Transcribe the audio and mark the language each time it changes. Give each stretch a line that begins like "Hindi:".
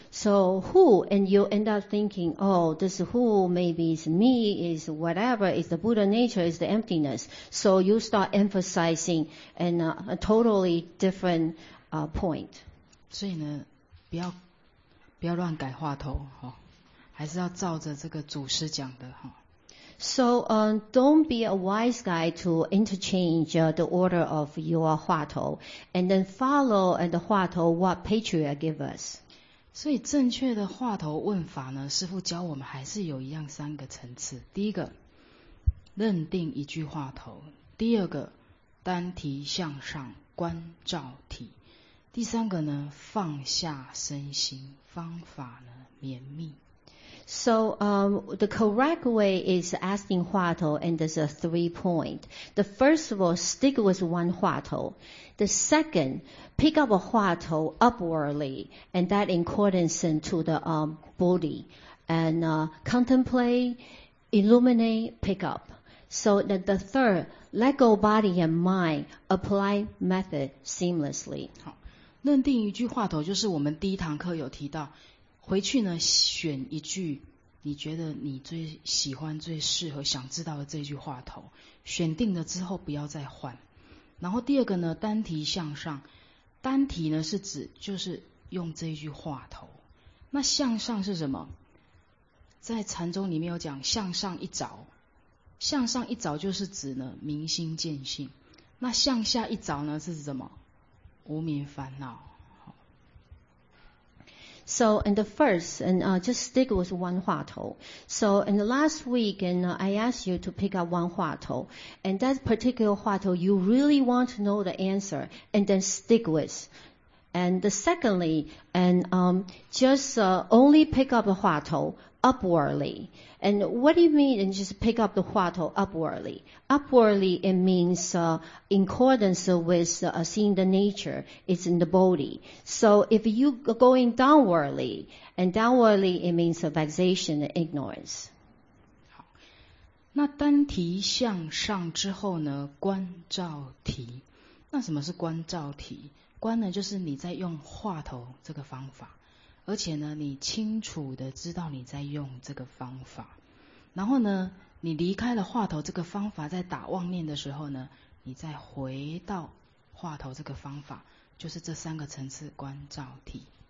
English: So who, and you end up thinking, oh, this who, maybe it's me, is whatever, is the Buddha nature, is the emptiness. So you start emphasizing a totally different point.
Chinese: 所以呢，不要乱改话头，哦，还是要照着这个祖师讲的，哦。
English: So, don't be a wise guy to interchange the order of your 话头 and then follow and the 话头 what patriot give us.
Chinese: 所以正确的话头问法呢，师父教我们还是有一样三个层次。第一个，认定一句话头；第二个，单提向上观照体；第三个呢，放下身心，方法呢，绵密。
English: So, the correct way is asking 话头 and there's a three point. The first of all, stick with one 话头. The second, pick up a 话头 upwardly and that in accordance to the body. And contemplate, illuminate, pick up. So that the third, let go body and mind, apply method seamlessly.
Chinese: 好，认定一句话头就是我们第一堂课有提到回去呢，选一句你觉得你最喜欢、最适合、想知道的这句话头，选定了之后不要再换。然后第二个呢，单提向上，单提呢是指就是用这句话头。那向上是什么？在禅宗里面有讲向上一着，向上一着就是指呢明心见性。那向下一着呢是指什么？无明烦恼。
English: So, and the first, and just stick with one 话头. So, in the last week, and I asked you to pick up one 话头. And that particular 话头, you really want to know the answer, and then stick with. And the secondly, and just only pick up a 话头 upwardly. And what do you mean, and just pick up the 话头 upwardly? Upwardly, it means in accordance with seeing the nature, it's in the body. So if you going downwardly, and downwardly, it means vexation and ignorance.
Chinese: 好，那单提向上之后呢，观照提。那什么是观照提？观呢，就是你在用话头这个方法，而且呢，你清楚的知道你在用这个方法，然后呢，你离开了话头这个方法，在打妄念的时候呢，你再回到话头这个方法，就是这三个层次观照体。